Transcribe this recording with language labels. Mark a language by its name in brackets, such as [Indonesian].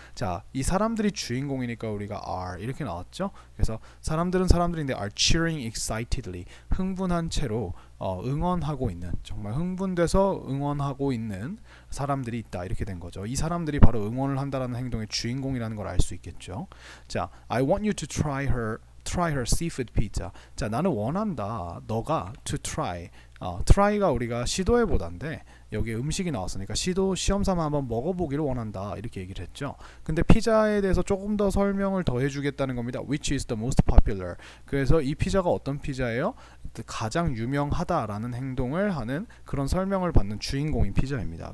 [Korean] 자, 이 사람들이 주인공이니까 우리가 are 이렇게 나왔죠. 그래서 사람들은 사람들인데 [English] are cheering excitedly. [Korean] 흥분한 채로 응원하고 있는, 정말 흥분돼서 응원하고 있는 사람들이 있다. 이렇게 된 거죠. 이 사람들이 바로 응원을 한다라는 행동의 주인공이라는 걸 알 수 있겠죠. [English] 자, I want you to try her seafood pizza. [Korean] 자, 나는 원한다. 너가 [English] to try. [Korean] try가 우리가 시도해 보단데 여기에 음식이 나왔으니까 시도 시험 삼아 한번 먹어보기를 원한다 이렇게 얘기를 했죠. 근데 피자에 대해서 조금 더 설명을 더 해주겠다는 겁니다. [English] Which is the most popular. [Korean] 그래서 이 피자가 어떤 피자예요? 가장 유명하다라는 행동을 하는 그런 설명을 받는 주인공인 피자입니다.